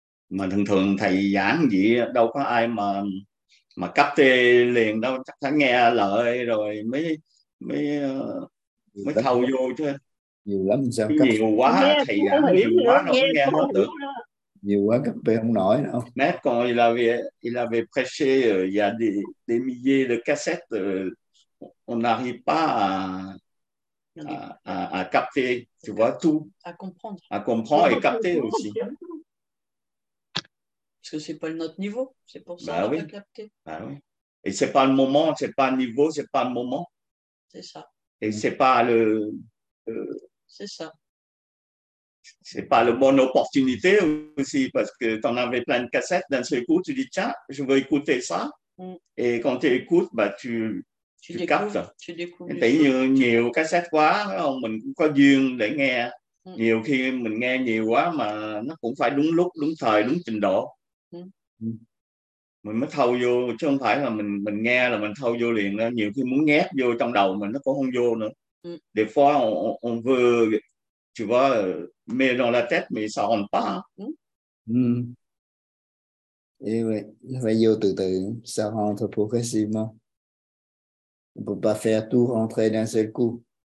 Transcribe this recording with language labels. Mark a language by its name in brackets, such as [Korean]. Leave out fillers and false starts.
[Vietnamese] Mà thường thường thầy giảng gì đâu có ai mà cấp tê liền đâu, chắc phải nghe lời rồi mới thâu vô chứ. Nhiều lắm sao cấp. Nhiều quá thầy giảng nhiều quá đâu có nghe hết được. Nhiều quá cấp tê không nổi đâu. [French] Mais quand il avait prêché, il y a des milliers de cassettes. On n'arrive pas à capter, tu vois, tout. À comprendre et capter aussi. Parce que ce n'est pas notre niveau, c'est pour ça qu'on a capté. Bah oui. Et ce n'est pas le moment, ce n'est pas le niveau, ce n'est pas le moment. C'est ça. Et ce n'est pas le... C'est ça. Ce n'est pas la bonne opportunité aussi, parce que tu en avais plein de cassettes, d'un seul coup, tu dis, tiens, je veux écouter ça. Et quand tu écoutes, bah, tu découvres. [Vietnamese] Tại nhiều cassette quá, mình cũng có duyên để nghe. Nhiều khi mình nghe nhiều quá mà nó cũng phải đúng lúc, đúng thời, đúng trình độ. Mình mới thâu vô, chứ không phải là mình nghe là mình thâu vô liền. Nhiều khi muốn nhét vô trong đầu mình nó cũng không vô nữa. [French] Des fois, on veut, tu vois, mais dans la tête, mais ça rentre pas. Il faut [Vietnamese] vô từ từ, [French] ça rentre progressivement. On ne peut pas faire tout rentrer d'un seul coup.